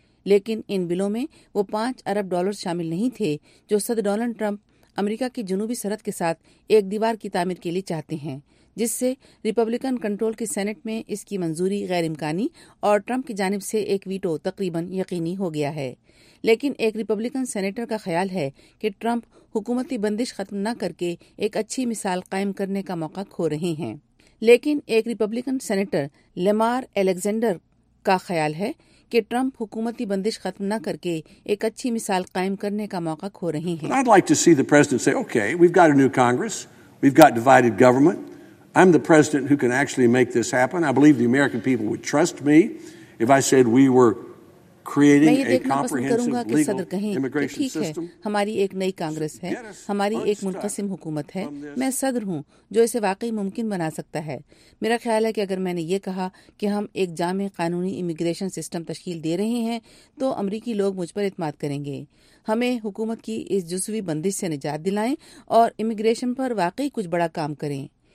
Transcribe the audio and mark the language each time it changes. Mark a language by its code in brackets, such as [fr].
[ur] لیکن ان بلوں میں وہ $5 ارب شامل نہیں تھے جو صدر ڈونلڈ ٹرمپ امریکہ کی جنوبی سرحد کے ساتھ ایک دیوار کی تعمیر کے لیے چاہتے ہیں، جس سے ریپبلکن کنٹرول کی سینٹ میں اس کی منظوری غیر امکانی اور ٹرمپ کی جانب سے ایک ویٹو تقریباً یقینی ہو گیا ہے۔ لیکن ایک ریپبلکن سینیٹر کا خیال ہے کہ ٹرمپ حکومتی بندش ختم نہ کر کے ایک اچھی مثال قائم کرنے کا موقع کھو رہے ہیں۔ لیکن ایک ریپبلکن سینیٹر لیمار الیگزینڈر کا خیال ہے کہ ٹرمپ حکومتی بندش ختم نہ کر کے ایک اچھی مثال قائم کرنے کا موقع کھو رہے ہیں۔ [en] I'd like to see the president say, okay, we've got a new Congress, we've got divided government. I'm the president who can actually make this happen. I believe the American people would trust me if I said we were [ur] میں یہ دیکھنا پسند کروں گا کہ صدر کہیں کہ ٹھیک ہے، ہماری ایک نئی کانگریس ہے، ہماری ایک منقسم حکومت ہے، میں صدر ہوں جو اسے واقعی ممکن بنا سکتا ہے۔ میرا خیال ہے کہ اگر میں نے یہ کہا کہ ہم ایک جامع قانونی امیگریشن سسٹم تشکیل دے رہے ہیں تو امریکی لوگ مجھ پر اعتماد کریں گے، ہمیں حکومت کی اس جزوی بندش سے نجات دلائیں اور امیگریشن پر واقعی کچھ بڑا کام کریں۔